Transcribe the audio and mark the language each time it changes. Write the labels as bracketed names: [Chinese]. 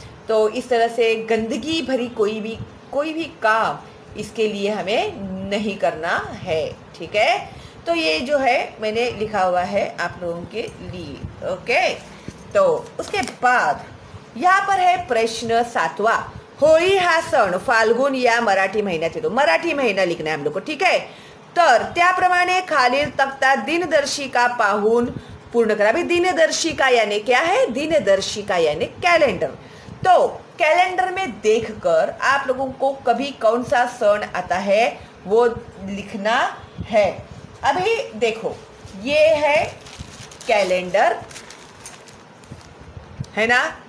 [Hindi] तो इस तरह से गंदगी भरी कोई भी काम इसके लिए हमें नहीं करना है, ठीक है। तो ये जो है मैंने लिखा हुआ है आप लोगों के लिए, ओके। तो उसके बाद यहाँ पर है प्रश्न सातवा, [Marathi] होळी हा सण फाल्गुन या मराठी महिन्यात येतो। [Hindi] मराठी महिना लिखना है हम लोग को, ठीक है। [Marathi] तर त्याप्रमाणे खालील तक्ता दिनदर्शिका पाहून पूर्ण करा। [Hindi] अभी दिनदर्शिका याने क्या है, दिनदर्शिका याने कैलेंडर। तो कैलेंडर में देखकर आप लोगों को कभी कौन सा सण आता है वो लिखना है। अभी देखो ये है कैलेंडर, है ना।